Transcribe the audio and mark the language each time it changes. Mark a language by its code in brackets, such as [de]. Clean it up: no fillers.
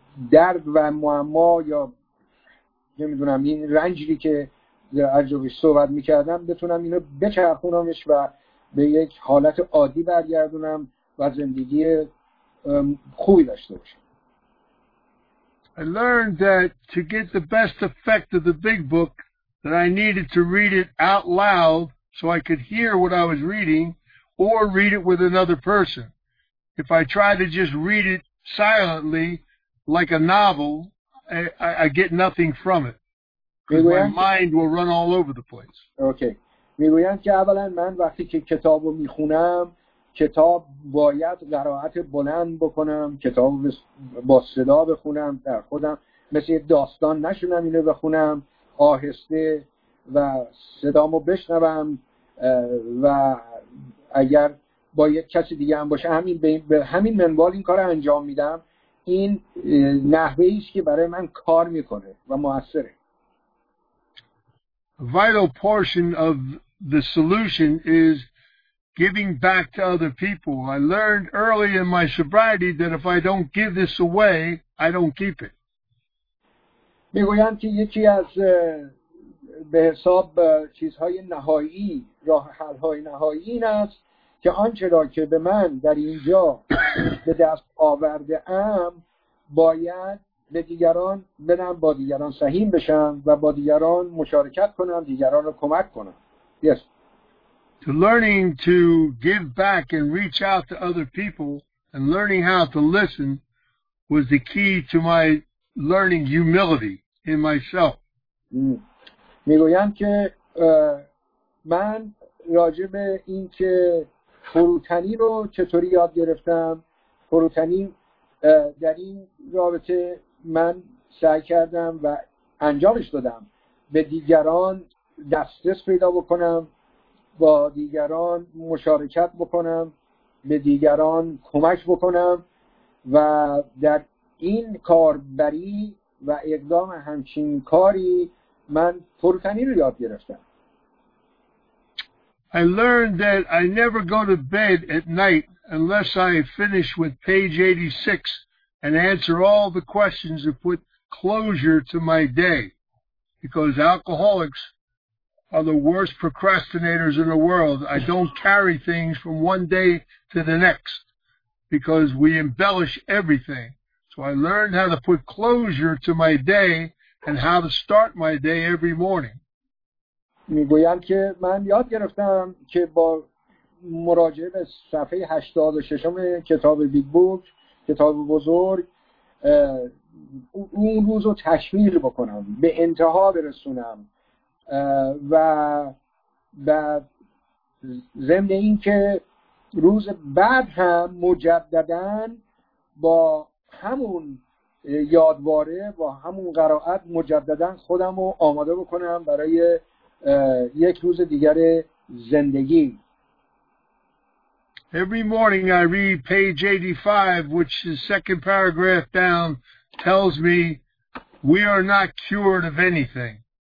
[fa] درد و معما یا نمیدونم این رنجی که از جوش صحبت میکردم بتونم اینو بچرخونمش و به یک حالت عادی برگردونم و زندگی خوبی داشته باشم. [en] I learned that to get the best effect of the big book that I needed to read it out loud so I could hear what I was reading or read it with another person. If I try to just read it silently, like a novel, I get nothing from it. My mind will run all over the place. Okay. [fa] میگویند که اولا من وقتی که کتابو میخونم، کتاب باید قرائت بلند بکنم، کتابو با صدا بخونم در خودم، مثل یه داستان نشونم اینو بخونم، آهسته و صدامو بشنوم و اگر با یک کسی دیگه هم باشه همین منوال این کار رو انجام میدم. این نحوه ایست که برای من کار میکنه و مؤثره. [en] A vital portion of the solution is giving back to other people. I learned early in my sobriety that if I don't give this away, I don't keep it. [fa] میگویم که یکی از به حساب چیزهای نهایی راه حل‌های نهایی این است که آنچه را که به من در اینجا به دست آورده ام باید به دیگران بدم، با دیگران سهیم بشم و با دیگران مشارکت کنم، دیگران رو کمک کنم. [en] Yes. To learning to give back and reach out to other people and learning how to listen was the key to my learning humility in myself. [fa] میگویم که من راجع به این که فروتنی رو چطوری یاد گرفتم، فروتنی در این رابطه من سعی کردم و انجامش دادم، به دیگران دسترس پیدا بکنم، با دیگران مشارکت بکنم، به دیگران کمک بکنم و در این کاربری و اقدام همچین کاری من فروتنی رو یاد گرفتم. [en] I learned that I never go to bed at night unless I finish with page 86 and answer all the questions and put closure to my day, because alcoholics are the worst procrastinators in the world. I don't carry things from one day to the next because we embellish everything. So I learned how to put closure to my day and how to start my day every morning. [fa] میگویم که من یاد گرفتم که با مراجعه به صفحه 86 کتاب بیگ بوک، کتاب بزرگ، اون روز رو تشمیل بکنم، به انتها برسونم. و ضمن این که روز بعد هم مجدداً با همون یادواره با همون قرائت مجدداً خودم رو آماده بکنم برای یک روز دیگر زندگی. [en] Every morning I read page 85, which is second paragraph down, tells me we are not cured of anything.